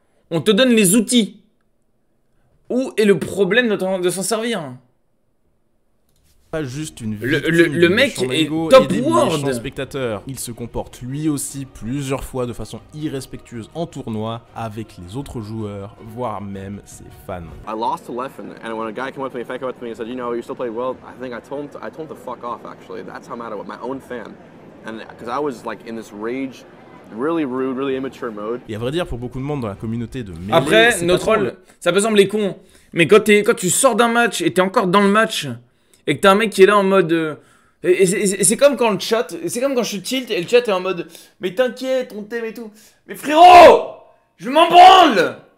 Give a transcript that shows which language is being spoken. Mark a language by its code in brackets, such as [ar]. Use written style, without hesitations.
[fr] On te donne les outils. Où est le problème de s'en servir? Juste une le mec est top world. Spectateur. Il se comporte lui aussi plusieurs fois de façon irrespectueuse en tournoi avec les autres joueurs, voire même ses fans. [en] I lost to Leffen, and when a guy came up to me, fake up to me, and said, you know, you still play well. I think I told him to fuck off. Actually, that's how mad I was. My own fan, and because I was like in this rage, really rude, really immature mode. [fr] Et à vrai dire, pour beaucoup de monde dans la communauté de Melee, après notre rôle, ça peut sembler con, mais quand tu sors d'un match et t'es encore dans le match. Et que t'as un mec qui est là en mode... C'est comme quand je tilt et le chat est en mode « Mais t'inquiète, on t'aime et tout. » Mais frérot, je m'en branle.